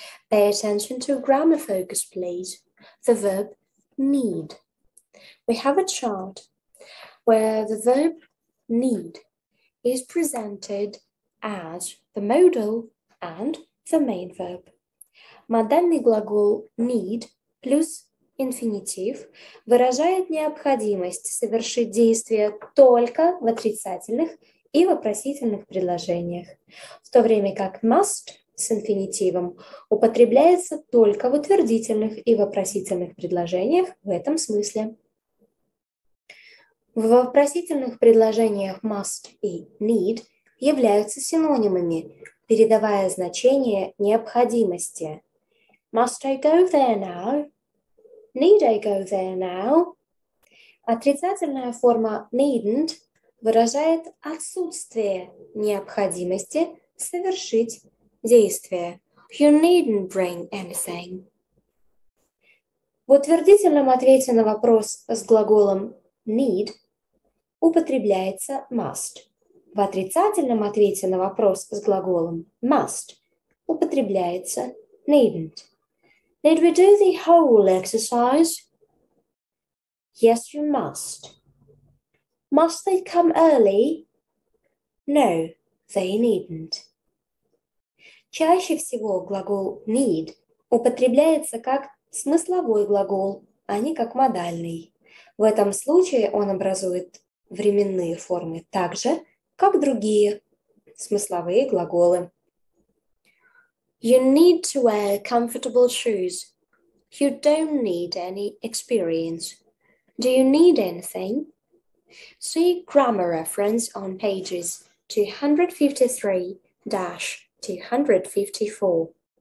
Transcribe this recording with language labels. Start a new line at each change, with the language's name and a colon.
English: Pay attention to grammar focus, please. The verb need. We have a chart where the verb need is presented as the modal and the main verb.
Russian: Модальный глагол need plus infinitive выражает необходимость совершить действие только в отрицательных и вопросительных предложениях, в то время как must с инфинитивом употребляется только в утвердительных и вопросительных предложениях в этом смысле. В вопросительных предложениях must и need являются синонимами, передавая значение необходимости.
English: Must I go there now? Need I go there now?
Russian: Отрицательная форма needn't выражает отсутствие необходимости совершить действие.
English: You needn't bring anything.
Russian: В утвердительном ответе на вопрос с глаголом need употребляется must. В отрицательном ответе на вопрос с глаголом must употребляется needn't.
English: Need we do the whole exercise? Yes, you must. Must they come early? No, they needn't.
Russian: Чаще всего глагол need употребляется как смысловой глагол, а не как модальный. В этом случае он образует временные формы так же, как другие смысловые глаголы.
English: You need to wear comfortable shoes. You don't need any experience. Do you need anything? See grammar reference on pages 253-254.